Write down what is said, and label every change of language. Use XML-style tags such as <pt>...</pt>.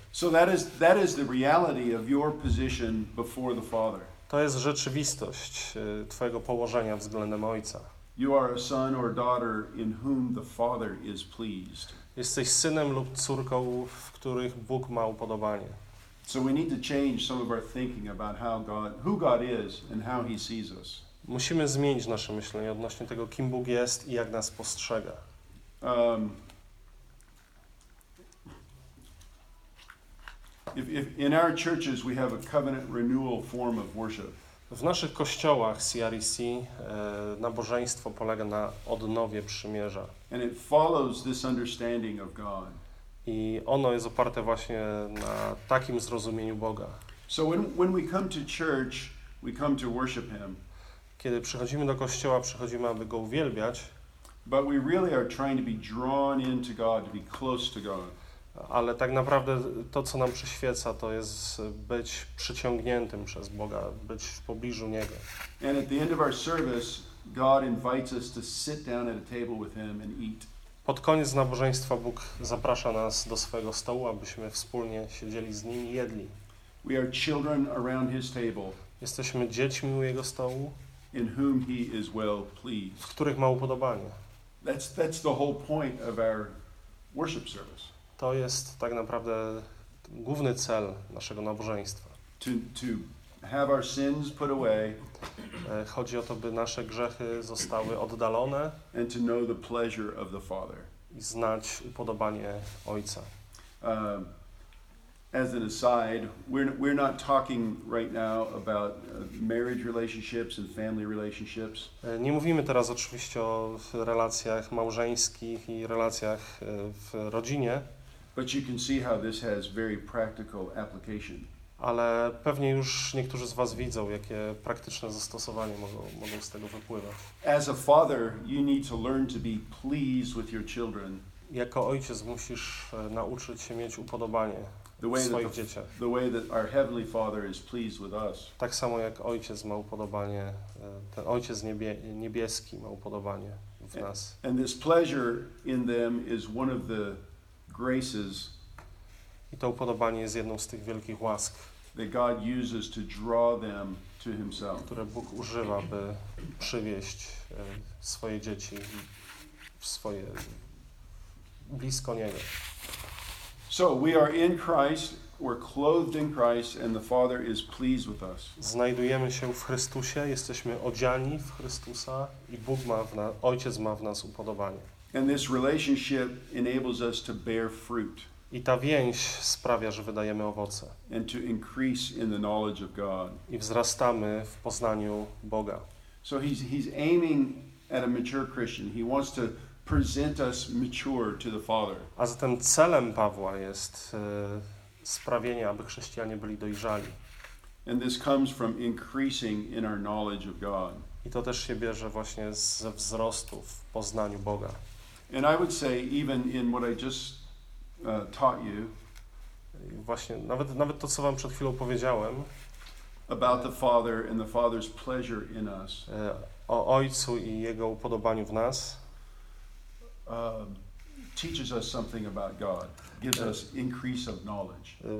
<en>So that is the reality of your position before the Father.</en> <pl>To jest rzeczywistość twojego położenia względem Ojca.</pl> <en>You are a son or daughter in whom the Father is pleased.</en> <pl>Jesteś synem lub córką, w których Bóg ma upodobanie.</pl> <en>So we need to change some of our thinking about who God is and how he sees us.</en> <pl>Musimy zmienić nasze myślenie odnośnie tego, kim Bóg jest i jak nas postrzega.</pl> <en>If in our churches we have a covenant renewal form of worship.</en> <pl>W naszych kościołach CRC nabożeństwo polega na odnowie przymierza.</pl> <en>And it follows this understanding of God.</en> <pl>I ono jest oparte właśnie na takim zrozumieniu Boga.</pl> <en>So when we come to church, we come to worship him.</en> <pl>Kiedy przychodzimy do kościoła, przychodzimy, aby go uwielbiać.</pl> <en>But we really are trying to be drawn into God, to be close to God.</en> <pl>Ale tak naprawdę to, co nam przyświeca, to jest być przyciągniętym przez Boga, być w pobliżu Niego.</pl> <en>And at the end of our service, God invites us to sit down at a table with him and eat.</en> <pl>Pod koniec nabożeństwa Bóg zaprasza nas do swojego stołu, abyśmy wspólnie siedzieli z Nim i jedli.</pl> <en>We are children around his table.</en> <pl>Jesteśmy dziećmi u Jego stołu,</pl> <en>in whom he is well pleased.</en> <pl>W których ma upodobanie.</pl> <en>That's the whole point of our worship service.</en> <pl>To jest tak naprawdę główny cel naszego nabożeństwa.</pl> <en>To have our sins put away.</en> <pl>Chodzi o to, by nasze grzechy zostały oddalone.</pl> <en>And to know the pleasure of the Father.</en> <pl>I znać upodobanie Ojca.</pl> <en>As an aside, we're not talking right now about marriage relationships and family relationships.</en> <pl>Nie mówimy teraz oczywiście o relacjach małżeńskich i relacjach w rodzinie.</pl> <en>But you can see how this has very practical application.</en> <pl>Ale pewnie już niektórzy z was widzą, jakie praktyczne zastosowanie mogą z tego wypływać.</pl> <en>As a father, you need to learn to be pleased with your children.</en> <pl>Jako ojciec musisz nauczyć się mieć upodobanie swoich dzieci.</pl> <en>The way that our heavenly Father is pleased with us.</en> <pl>Tak samo jak ojciec ma upodobanie, ten ojciec niebieski ma upodobanie w nas.</pl> <en>And this pleasure in them is one of the graces.</en> <pl>I to upodobanie jest jedną z tych wielkich łask,</pl> <en>that God uses to draw them to himself.</en> <pl>Które Bóg używa, by przywieść swoje dzieci w swoje blisko Niego.</pl> <en>So we are in Christ, we're clothed in Christ, and the Father is pleased with us.</en> <pl>Znajdujemy się w Chrystusie, jesteśmy odziani w Chrystusa i Bóg ma w nas, Ojciec ma w nas upodobanie.</pl> <en>And this relationship enables us to bear fruit.</en> <pl>I ta więź sprawia, że wydajemy owoce.</pl> <en>And to increase in the knowledge of God.</en> <pl>I wzrastamy w poznaniu Boga.</pl> <en>So he's aiming at a mature Christian. He wants to present us mature to the Father.</en> <pl>A zatem celem Pawła jest sprawienie, aby chrześcijanie byli dojrzali.</pl> <en>And this comes from increasing in our knowledge of God.</en> <pl>I to też się bierze właśnie ze wzrostu w poznaniu Boga.</pl> <en>And I would say even in what I just taught you.</en> <pl>Właśnie, nawet to, co wam przed chwilą powiedziałem.</pl> <en>About the Father and the Father's pleasure in us.</en> <pl>O Ojcu i Jego upodobaniu w nas.</pl> <en>Teaches us something about God. Gives us increase of knowledge.</en>